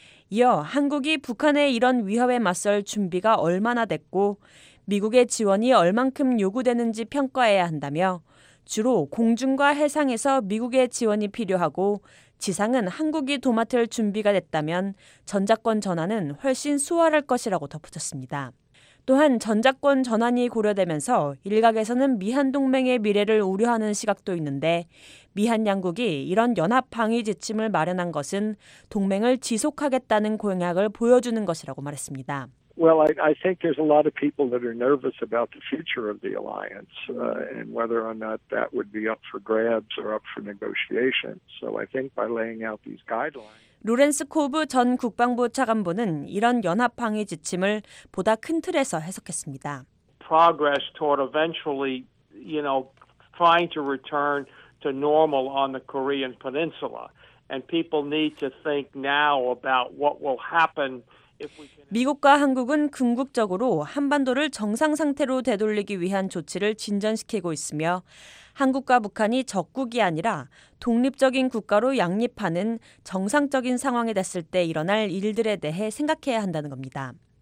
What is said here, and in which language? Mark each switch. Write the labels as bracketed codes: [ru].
[ko] 이어 한국이 북한의 이런 위협에 맞설 준비가 얼마나 됐고 미국의 지원이 얼만큼 요구되는지 평가해야 한다며 주로 공중과 해상에서 미국의 지원이 필요하고 지상은 한국이 도맡을 준비가 됐다면 전작권 전환은 훨씬 수월할 것이라고 덧붙였습니다. 또한 전작권 전환이 고려되면서 일각에서는 미한 동맹의 미래를 우려하는 시각도 있는데 미한 양국이 이런 연합 방위 지침을 마련한 것은 동맹을 지속하겠다는 공약을 보여주는 것이라고 말했습니다. [en] Well, I think there's a lot of people that are nervous about the future of the alliance and whether or not that would be up for grabs or up for negotiation. So I think by laying out these guidelines. [ko] 로렌스 코브 전 국방부 차관보는 이런 연합 방위 지침을 보다 큰 틀에서 해석했습니다. [en] Progress toward eventually, you know, trying to return to normal on the Korean Peninsula. And people need to think now about what will happen. [ko] 미국과 한국은 궁극적으로 한반도를 정상 상태로 되돌리기 위한 조치를 진전시키고 있으며 한국과 북한이 적국이 아니라 독립적인 국가로 양립하는 정상적인 상황이 됐을 때 일어날 일들에 대해 생각해야 한다는 겁니다.